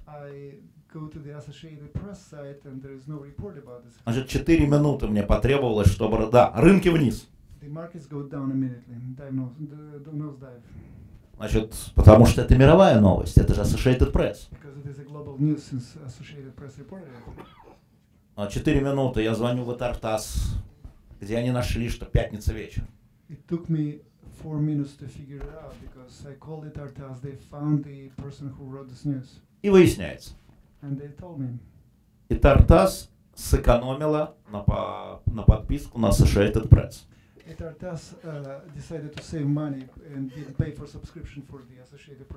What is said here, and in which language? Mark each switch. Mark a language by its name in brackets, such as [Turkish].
[English] I go to the Associated Press site, and there is no report about this. [Russian] Значит, 4 минуты мне потребовалось, чтобы да, рынки вниз. [English] The markets go down immediately. Nosedive. [Russian] Значит, потому что это мировая новость, это же Associated Press. [English] Because it is a global news, since Associated Press reported it. [Russian] 4 минуты я звоню в ИТАРТАС, где они нашли, что пятница вечер. [English] It took me 4 minutes to figure it out, because I called ИТАРТАС, they found the person who wrote this news. [Russian] И выясняется. [English] And they told me. [Russian] ИТАРТАС сэкономила на подписку на Associated Press. [English] ИТАРТАС decided to save money and didn't pay for subscription for the Associated Press.